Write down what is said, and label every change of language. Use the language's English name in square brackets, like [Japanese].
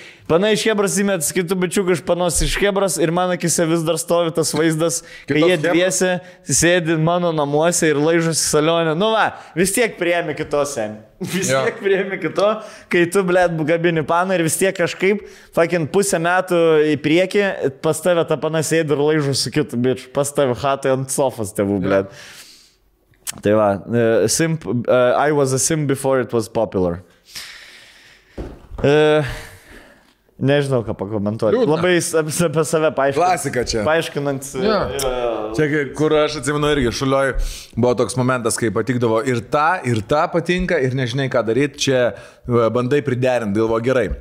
[Lithuanian] Pana iš Hebro susimėtė su kitu bičiuku iš panos iš Hebros ir man akise vis dar stovi tas vaizdas, kai jie dviesi, sėdi mano namuose ir laižosi salionę. Nu va, vis tiek priėmė kitos senį. Vis tiek priėmė kito, kai tu, blėt, gabini paną ir vis tiek kažkaip, fakin, pusę metų į priekį, pas tave tą paną sėdi ir laižu su kitu bičiu, pas tave hatai ant sofas tevų, blėt. Tai va, [English] simp, I was a simp before it was popular. [Lithuanian] Nežinau, ką pakomentuoti. Liūdna. Labai apie save paaiškinant. Klasika čia. Paaiškinant. Ja. Ja. Čia, kur aš atsimenu irgi, šulioj buvo toks momentas, kai patikdavo ir ta patinka, ir nežinai, ką daryti, čia bandai priderinti, galvo gerai.